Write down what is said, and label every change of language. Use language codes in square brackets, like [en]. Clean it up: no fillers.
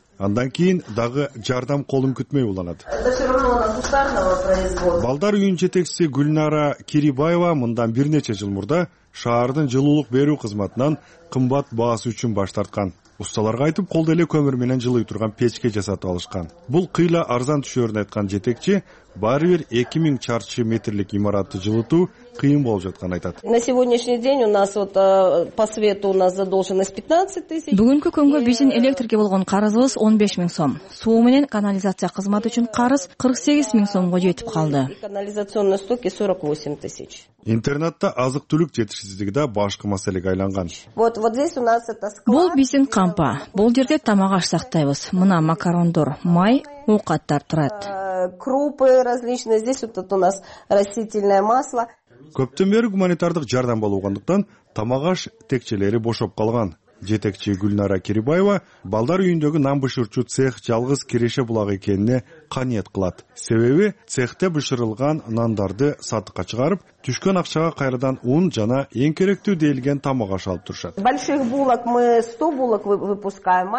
[ky] Андан кийин дагы жардам колун күтмөй уланат. Балдар үйүнүн жетекчиси Гүлнара Кирибаева мындан бир нече жыл мурда шаардын жылуулук берүү кызматынан кымбат баасы үчүн баш тарткан. Усталарга айтып, колдо эле көмүр менен жылый турган печке жасатып алышкан. Бул кыйла арзан түшөрүн айткан жетекчи, баары бир 2000 чарчы метрлик имаратты жылытуу кыйын болуп жатканын айтат. [ru] На сегодняшний день у нас вот по свету у нас задолженность 15 000. [ky] Бүгүнкү күнгө биздин электрге болгон карызыбыз 15 000 сом. Суу менен канализация кызматы үчүн карыз 48 000 сомго жетип калды. [ru] Канализационный сток 48 000. [ky] Интернатта азык-түлүк жетишсиздиги да башкы маселеге айланган. [ru] Вот здесь у нас это склад. [ky] Бул биздин кампа. Бул жерде тамак аш сактайбыз. Мына макарондор, май, оокаттар турат. [ru] Крупы различные, здесь вот у нас растительное масло. [ky] Көптөн бери гуманитардык жардам болгондуктан тамак аш текчелери бошоп калган. жетекчи Гүлнара Кирибаева балдар үйүндөгү нан бышырчу цех жалгыз киреше булак экенине каниет кылат. Себеби цехте бышырылган нандарды сатыкка чыгарып, түшкөн акчага кайрадан ун жана эң керектүү дейилген тамак аш алып турушат. [ru] Больших булок мы 100 булок выпускаем.